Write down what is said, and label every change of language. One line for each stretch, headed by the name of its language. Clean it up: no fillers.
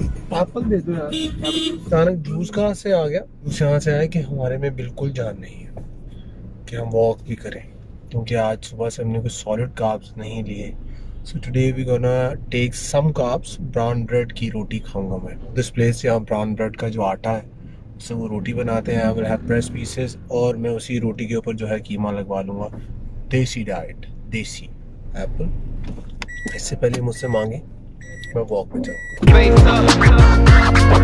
Hindi: Papal दे दो यार. अचानक जूस कहाँ से आ गया? जूस यहाँ से आया कि हमारे में बिल्कुल जान नहीं है कि हम वॉक भी करें, क्योंकि आज सुबह से हमने कुछ सॉलिड कार्ब्स नहीं लिए.
English: So today we gonna take some carbs.
Hindi: Brown bread की रोटी खाऊंगा मैं.
English: This place
Hindi: यहाँ brown bread का जो आटा है से वो रोटी बनाते हैं.
English: I will have press pieces
Hindi: और मैं उसी रोटी के ऊपर जो है कीमा लगवा लूँगा. देसी डाइट, देसी एप्पल. इससे पहले मुझसे मांगे मैं वॉक में जाऊँगा.